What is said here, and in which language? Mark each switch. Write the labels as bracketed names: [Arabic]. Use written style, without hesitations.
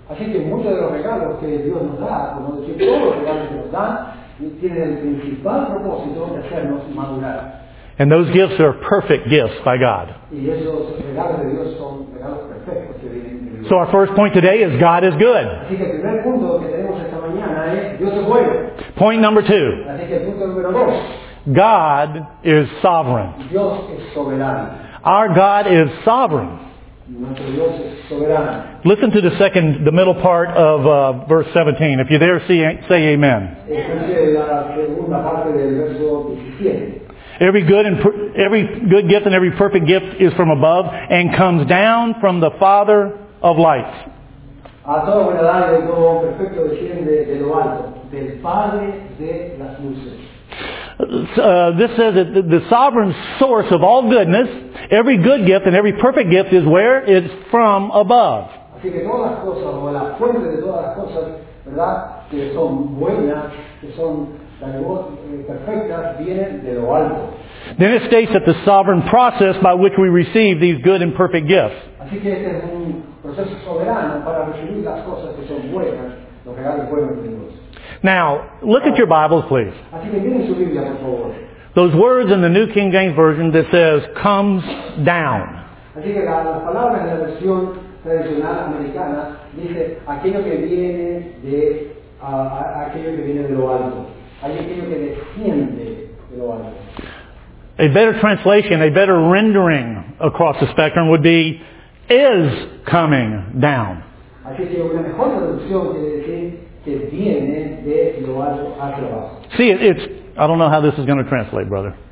[Spanish] Así que muchos de los regalos que Dios nos da, como decir, todos los regalos que nos dan, tienen el principal propósito de hacernos madurar. [English] And those gifts are perfect gifts by God. [Spanish] Y esos regalos de Dios son regalos perfectos que vienen. [English] So our first point today is God is good. [Spanish] Así que el primer punto que tenemos esta mañana es Dios es bueno. [English] Point number two. [Spanish] Así que el punto número dos. [English] God is sovereign. [Spanish] Dios es soberano. [English] Our God is sovereign. [Spanish] Nuestro Dios es soberano. [English] Listen to the middle part of verse 17. If you're there, say amen. [Spanish] Escuche la segunda parte del verso 17. [English] Every good gift and every perfect gift is from above and comes down from the Father of lights. [Spanish] A todo buen dar y todo perfecto desciende de lo alto, del Padre de las luces. [English] This says that the sovereign source of all goodness, every good gift and every perfect gift is where? It's from above. [Spanish] Así que todas las cosas, o la fuente de todas las cosas, ¿verdad? Que son buenas, que son perfectas, vienen de lo alto. [English] Then it states that the sovereign process by which we receive these good and perfect gifts. [Spanish] Así que este es un proceso soberano para recibir las cosas que son buenas, los regalos buenos de Dios. [English] Now, look at your Bibles, please. [Spanish] Así que miren su Biblia, por favor. [English] Those words in the New King James Version that says, comes down. [Spanish] Así que la palabra en la versión tradicional americana dice, aquello que viene de lo alto. Hay aquello que desciende de lo alto. [English] A better translation, a better rendering across the spectrum would be, is coming down. See, it's, I don't know how this is going to translate, brother.